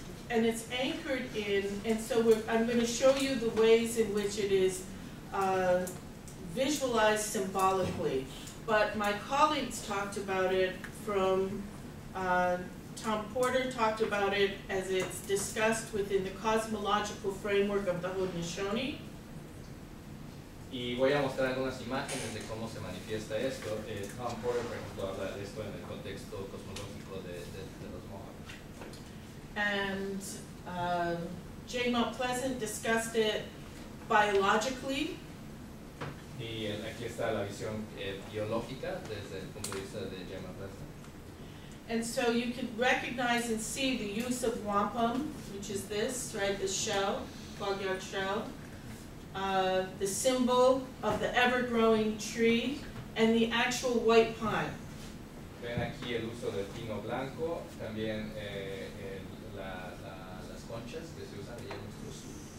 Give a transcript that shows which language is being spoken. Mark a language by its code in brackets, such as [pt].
[en] And it's anchored in, and so I'm going to show you the ways in which it is visualized symbolically. But my colleagues talked about it from, Tom Porter talked about it as it's discussed within the cosmological framework of the Haudenosaunee. [es] Y voy a mostrar algunas imágenes de cómo se manifiesta esto. Tom Porter, por ejemplo, habla de esto en el contexto cosmológico de los Mohawk. [en] And J. Mount Pleasant discussed it biologically. [es] Y aquí está la visión biológica desde el punto de vista de Jemma Pleasant. [en] And so you can recognize and see the use of wampum, which is this, right, the shell, fogyard shell, the symbol of the ever-growing tree, and the actual white pine. [es] Ven aquí el uso del pino blanco, también las conchas que se usan allí en nuestro sur.